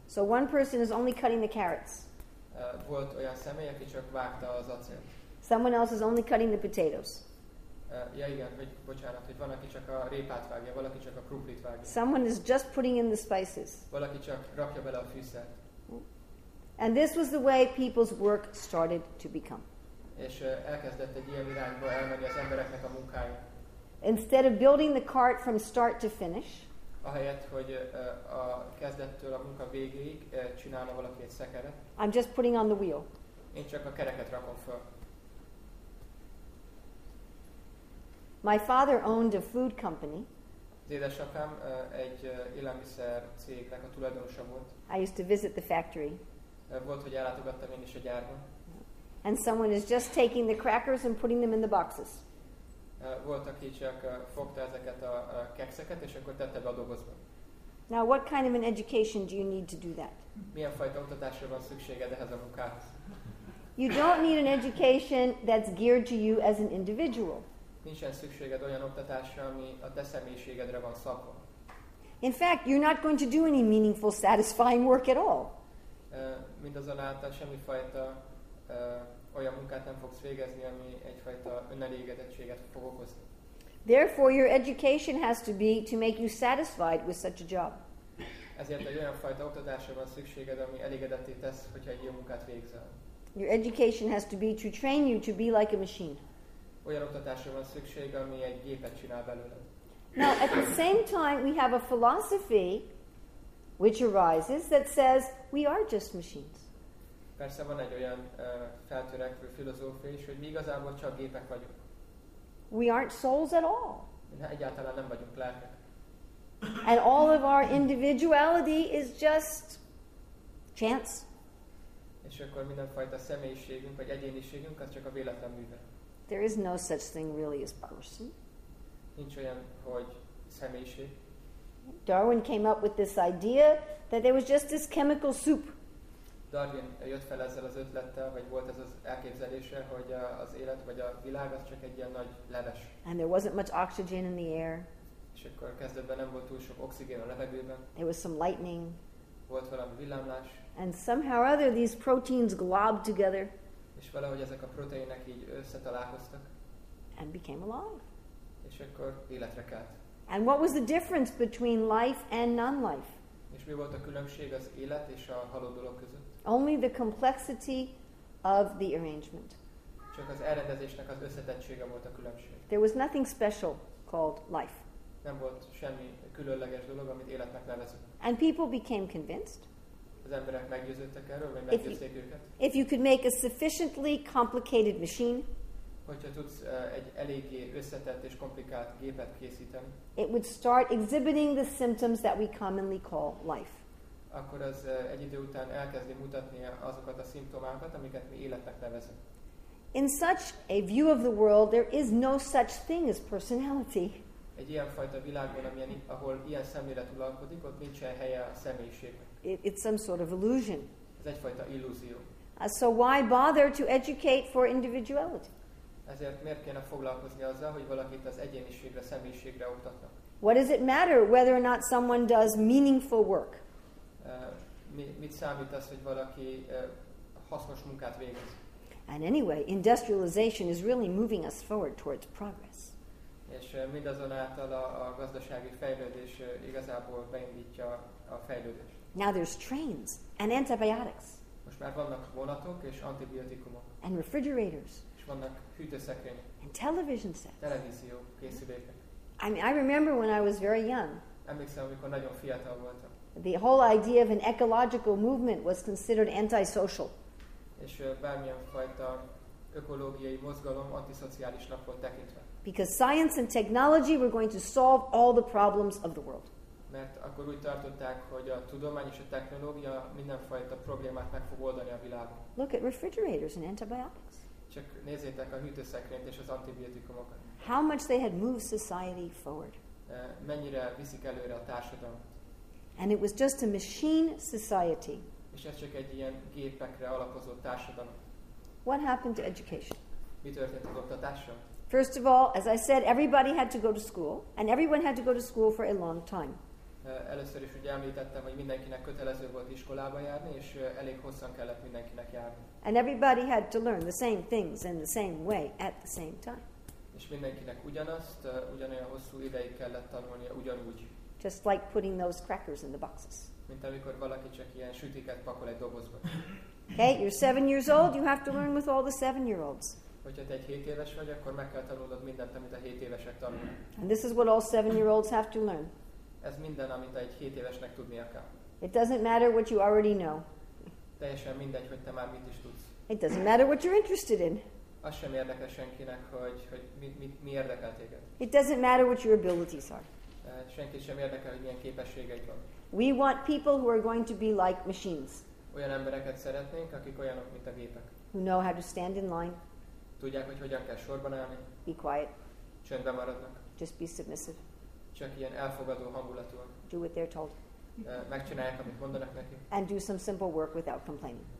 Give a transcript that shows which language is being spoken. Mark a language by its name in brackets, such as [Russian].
[English] So one person is only cutting the carrots. [Hungarian] Volt olyan személy, aki csak vágta az acélt. [English] Someone else is only cutting the potatoes. [Hungarian] Ja igen, hogy bocsánat, hogy van, aki csak a répát vágja, valaki csak a krumplit vágja. [English] Someone is just putting in the spices. [Hungarian] Valaki csak rakja bele a fűszert. [English] And this was the way people's work started to become. [Hungarian] És elkezdett egy ilyen irányba elmenni az embereknek a munkája. [English] Instead of building the cart from start to finish, [Hungarian] ahelyett, hogy a kezdettől a munka végéig csinálna valaki egy szekeret. [English] I'm just putting on the wheel. [Hungarian] Én csak a kereket rakom föl. [English] My father owned a food company. [Hungarian] Az édesapám egy élelmiszer cégnek a tulajdonosa volt. [English] I used to visit the factory. [Hungarian] Volt, hogy ellátogattam én is a gyárban. [English] And someone is just taking the crackers and putting them in the boxes. [Hungarian] Volt, aki csak fogta ezeket a kekszeket, és akkor tette be a dobozba. [English] Now, what kind of an education do you need to do that? [Hungarian] Milyen fajta oktatásra van szükséged ehhez a munkához? [English] You don't need an education that's geared to you as an individual. [Hungarian] Nincsen szükséged olyan oktatásra, ami a te személyiségedre van szabva. [English] In fact, you're not going to do any meaningful, satisfying work at all. [Hungarian] Mindazonáltal semmi fajta olyan munkát nem fogsz végezni, ami egyfajta önelégedettséget fog okozni. [English] Therefore, your education has to be to make you satisfied with such a job. [Hungarian] Ezért egy olyan fajta oktatásra van szükséged, ami elégedetté tesz, hogyha egy jó munkát végzel. [English] Your education has to be to train you to be like a machine. [Hungarian] Olyan oktatásra van szükség, ami egy gépet csinál belőled. [English] Now, at the same time, we have a philosophy which arises that says we are just machines. [Hungarian] Persze van egy olyan feltörekvő filozófia is, hogy mi igazából csak gépek vagyunk. [English] We aren't souls at all. [Hungarian] Egyáltalán nem vagyunk lelkek. [English] And all of our individuality is just chance. [Hungarian] És akkor mindenfajta személyiségünk vagy egyéniségünk az csak a véletlen műve. [English] There is no such thing really as person. [Hungarian] Nincs olyan, hogy személyiség. [English] Darwin came up with this idea that there was just this chemical soup. [Hungarian] Darwin jött fel ezzel az ötlettel, vagy volt ez az elképzelése, hogy az élet vagy a világ az csak egy ilyen nagy leves. [English] And there wasn't much oxygen in the air. [Hungarian] És akkor kezdetben nem volt túl sok oxigén a levegőben. [English] There was some lightning. [Hungarian] Volt valami villámlás. [English] And somehow or other these proteins globbed together. [Hungarian] És valahogy ezek a proteinek így összetalálkoztak. [English] And became alive. [Hungarian] És akkor életre kelt. [English] And what was the difference between life and non-life? [Hungarian] És mi volt a különbség az élet és a halott dolog között? [English] Only the complexity of the arrangement. [Hungarian] Csak az elrendezésnek az összetettsége volt a különbség. [English] There was nothing special called life. [Hungarian] Nem volt semmi különleges dolog, amit életnek nevezünk. [English] And people became convinced. [Hungarian] Az emberek meggyőződtek erről, vagy meggyőzték őket. [English] If you could make a sufficiently complicated machine, [Hungarian] hogyha tudsz egy eléggé összetett és komplikált gépet készíteni, [English] it would start exhibiting the symptoms that we commonly call life. [Hungarian] akkor az egy idő után elkezdi mutatni azokat a szimptomákat, amiket mi életnek nevezünk. [English] In such a view of the world, there is no such thing as personality. [Hungarian] Egy ilyen fajta világban, amilyen, ahol ilyen szemléletül alkodik, ott nincsen helye a személyiségnek. [English] It's some sort of illusion. [Hungarian] Ez egyfajta illúzió. [English] So why bother to educate for individuality? [Hungarian] Ezért miért kéne foglalkozni azzal, hogy valakit az egyéniségre, személyiségre oktatnak? [English] What does it matter whether or not someone does meaningful work? [Hungarian] Mit számít az, hogy valaki hasznos munkát végez? [English] And anyway, industrialization is really moving us forward towards progress. [Hungarian] És mindazonáltal a gazdasági fejlődés igazából beindítja a fejlődést. [English] Now there's trains and antibiotics. [Hungarian] Most már vannak vonatok és antibiotikumok. [English] And refrigerators. [Hungarian] És vannak hűtőszekrények. [English] And television sets. [Hungarian] Televízió készülékek. [English] I mean, I remember when I was very young. [Hungarian] Emlékszem, amikor nagyon fiatal voltam. [English] The whole idea of an ecological movement was considered antisocial. [Hungarian] És bármilyen fajta ökológiai mozgalom antiszociálisnak volt tekintve. [English] Because science and technology were going to solve all the problems of the world. [Hungarian] Mert akkor úgy tartották, hogy a tudomány és a technológia mindenfajta problémát meg fog oldani a világon. [English] Look at refrigerators and antibiotics. [Hungarian] Csak nézzétek a hűtőszekrényt és az antibiotikumokat. [English] How much they had moved society forward. [Hungarian] Mennyire viszik előre a társadalmat. [English] And it was just a machine society. [Hungarian] És ez csak egy ilyen gépekre alapozó társadalom. [English] What happened to education? [Hungarian] Mi történt az oktatással? [English] First of all, as I said, everybody had to go to school, and everyone had to go to school for a long time. [Hungarian] Először is ugye említettem, hogy mindenkinek kötelező volt iskolába járni, és elég hosszan kellett mindenkinek járni. [English] And everybody had to learn the same things in the same way at the same time. [Hungarian] És mindenkinek ugyanazt, ugyanolyan hosszú ideig kellett tanulnia ugyanúgy. [English] Just like putting those crackers in the boxes. [Hungarian] Mint amikor valaki csak ilyen sütiket pakol egy dobozba. [English] Okay, you're 7 years old, you have to learn with all the 7-year-olds. [Hungarian] Hogyha te egy 7 éves vagy, akkor meg kell tanulnod mindent, amit a 7 évesek tanulnak. [English] And this is what all 7-year-olds have to learn. [Hungarian] Ez minden, amit egy 7 évesnek tudnia kell. [English] It doesn't matter what you already know. [Hungarian] Teljesen mindegy, hogy te már mit is tudsz. [English] It doesn't matter what you're interested in. [Hungarian] Az sem érdekel senkinek, hogy mi érdekel téged. [English] It doesn't matter what your abilities are. [Hungarian] Senki sem érdekel, hogy milyen képességeid van. [English] We want people who are going to be like machines. [Hungarian] Olyan embereket szeretnénk, akik olyanok, mint a gépek. [English] Who know how to stand in line. [Hungarian] Tudják, hogy hogyan kell sorban állni. [English] Be quiet. [Hungarian] Csöndben maradnak. [English] Just be submissive. [Hungarian] Csak ilyen elfogadó hangulatúan. [English] Do what they're told. [Hungarian] Megcsinálják, amit mondanak neki. [English] And do some simple work without complaining.